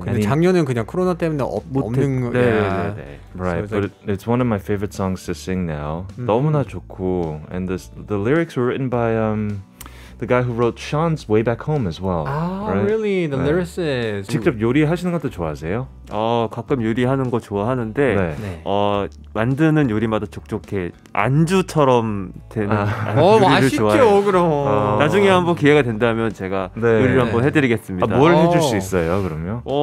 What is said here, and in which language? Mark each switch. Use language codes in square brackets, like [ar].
[ko] 근데 작년은 그냥 코로나 때문에 없는 거. 네. Yeah. 네, 네, 네. [en] Right, so but it's one of my favorite songs to sing now. [ko] 너무나 좋고, [en] and the lyrics were written by the guy who wrote Sean's Way Back Home as well. Right? Really? The lyricist. [ko] 직접 요리하시는 것도 좋아하세요? 가끔 요리하는 거 좋아하는데 네. 만드는 요리마다 족족해 안주처럼 되는 요리를 좋아해요. 맛있죠, 그럼. 나중에 한번 기회가 된다면 제가 네. 요리를 한번 해드리겠습니다. 뭘 해줄 수 있어요, 그러면?